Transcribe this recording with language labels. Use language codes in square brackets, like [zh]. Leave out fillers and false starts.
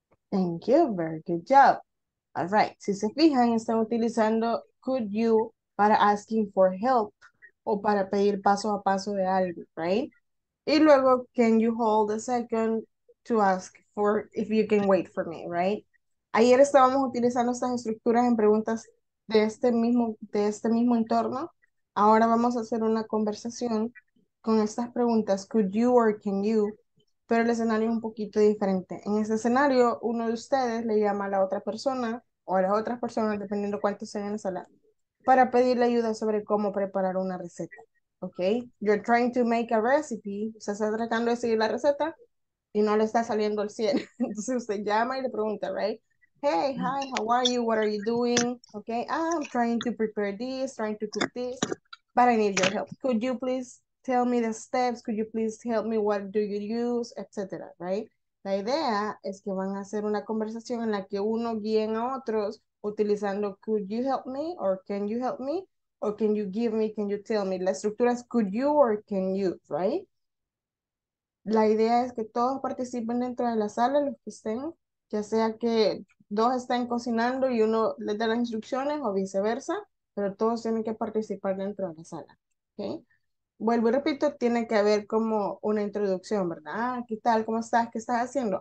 [en] Thank you, very good job. All right, [es] si se fijan, están utilizando could you para [en] asking for help [es] o para pedir paso a paso de algo, right? Y luego, [en] can you hold a second to ask for if you can wait for me, right? [es] Ayer estábamos utilizando estas estructuras en preguntas de este mismo entorno. Ahora vamos a hacer una conversación con estas preguntas, [en] could you or can you, [es] pero el escenario es un poquito diferente. En este escenario, uno de ustedes le llama a la otra persona o a las otras personas, dependiendo cuántos sean en la sala, para pedirle ayuda sobre cómo preparar una receta, ¿ok? [en] You're trying to make a recipe. [es] Usted está tratando de seguir la receta y no le está saliendo el 100. Entonces usted llama y le pregunta, [en] right? Hey, hi, how are you? What are you doing? ¿Ok? I'm trying to prepare this, trying to cook this, but I need your help. Could you please tell me the steps, could you please help me, what do you use, etc., right? [es] La idea es que van a hacer una conversación en la que uno guíen a otros utilizando [en] could you help me, or can you help me, or can you give me, can you tell me. [es] La estructura es [en] could you or can you, [es] right? La idea es que todos participen dentro de la sala, los que estén, ya sea que dos estén cocinando y uno les dé las instrucciones o viceversa, pero todos tienen que participar dentro de la sala, okay? Vuelvo y repito, tiene que haber como una introducción, ¿verdad? Ah, ¿qué tal? ¿Cómo estás? ¿Qué estás haciendo?